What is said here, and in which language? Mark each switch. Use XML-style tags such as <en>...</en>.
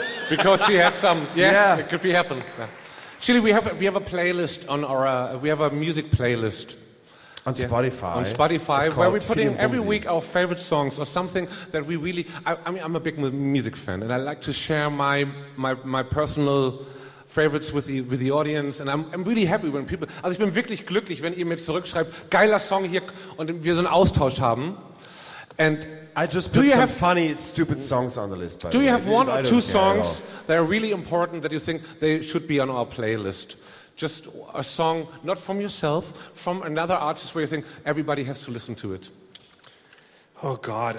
<en>Because she had some... Yeah. It could be happened. Yeah. Chili, we have a playlist on our we have a music playlist on Spotify. On Spotify, where we put in every week our favorite songs or something that we really. I mean, I'm a big music fan, and I like to share my personal favorites with the audience. And I'm really happy when people.</en> <de>Also, ich bin wirklich glücklich, wenn ihr mir zurückschreibt, geiler Song hier, und wir so einen Austausch haben.</de> <en>And I just put some funny, stupid songs on the list. Do you have one or two songs that are really important that you think they should be on our playlist? Just a song, not from yourself, from another artist where you think everybody has to listen to it. Oh, God.</en>